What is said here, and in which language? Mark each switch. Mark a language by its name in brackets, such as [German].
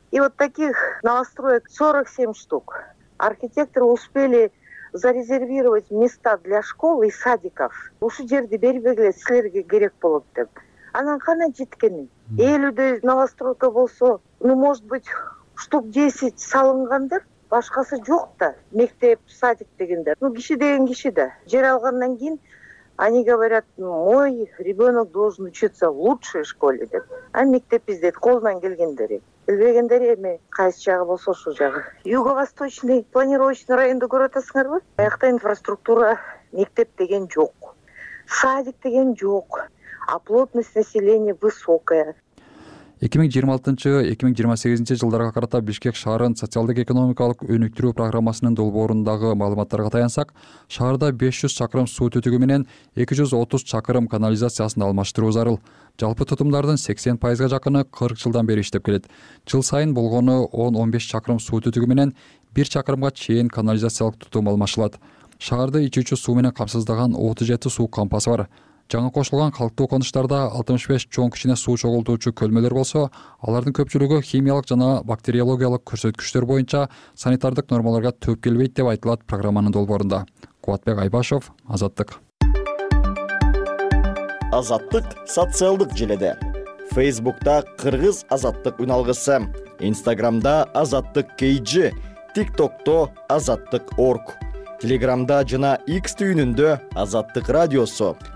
[Russian] И вот таких новостроек 47 штук. Архитекторы успели зарезервировать места для школ и садиков. [Kyrgyz] Ушу жерди бербегиле силерге керек болот деп. Анан кана жеткени? Элүүдө [Russian] новостройка [Kyrgyz] болсо, [Russian] ну, может быть, штук 10 [Kyrgyz] салынгандыр. Башкасы жок да, мектеп, садик дегендер. Ну, киши деген киши да. Жер алгандан кийин [Russian] они говорят, мой ребенок должен учиться в лучшей школе. [Kyrgyz] Деп. А мектеп издет, колдан келгендери. Билбегендери эми кайсы жагы болсо ошол жагы. [Russian] Юго-восточный планировочный [Kyrgyz] районду көрүп атасыңарбы? Аякта инфраструктура, мектеп деген жок. Садик деген жок. [Russian] А плотность населения высокая. [Kyrgyz] 2026-2028 жылдарга карата Бишкек шаарын социалдык экономикалык өнүктүрүү программасынын долбоорундагы маалыматтарга таянсак, шаарда 500 чакырым суу түтүгү менен 230 чакырым канализациясын алмаштыруу зарыл. Жалпы тутумдардын 80% жакыны 40 жылдан бери иштеп келет. Жыл сайын болгону 10-15 чакырым суу түтүгү менен 1 чакырымга чейин канализациялык тутум алмашылат. Шаарды ичүүчү суу менен камсыздаган 37 суу кампасы бар. Жаңы кошулган калктуу конуштарда 65 чоң кичине суу чогултуучу көлмөлөр болсо, алардын көпчүлүгү химиялык жана бактериологиялык көрсөткүчтөр боюнча санитардык нормаларга төп келбейт деп айтылат программанын долбоорунда. Кубатбек Айбашов, Азаттык. Азаттык социалдык желеде. Фейсбукта Кыргыз Азаттык үналгысы, Инстаграмда Азаттык KG, ТикТокто Азаттык Орг, Телеграмда жана X түйүнүндө Азаттык радиосу.